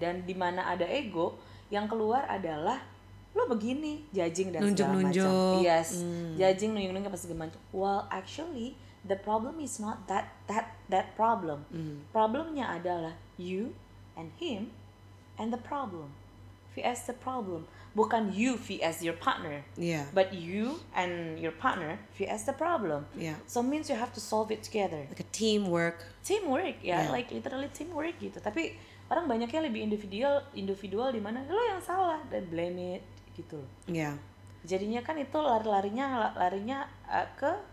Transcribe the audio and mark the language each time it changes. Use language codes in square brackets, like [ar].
[id] Dan di mana ada ego, yang keluar adalah lo begini, judging dan nunjuk-nunjuk. Segala macam. Yes. Mm. Judging, nunjuk-nunjuk pasti gimana. [en] Well, actually the problem is not that problem. Mm. [id] Problemnya adalah [en] you and him and the problem. VS the problem. Bukan you VS your partner. Yeah. But you and your partner VS the problem. Yeah. So means you have to solve it together. Like a teamwork. Teamwork, yeah. Yeah. Like literally teamwork gitu. [id] Tapi orang banyaknya lebih individual di mana lo yang salah dan [en] blame it [id] gitu. [en] Yeah. [id] Jadinya kan itu larinya ke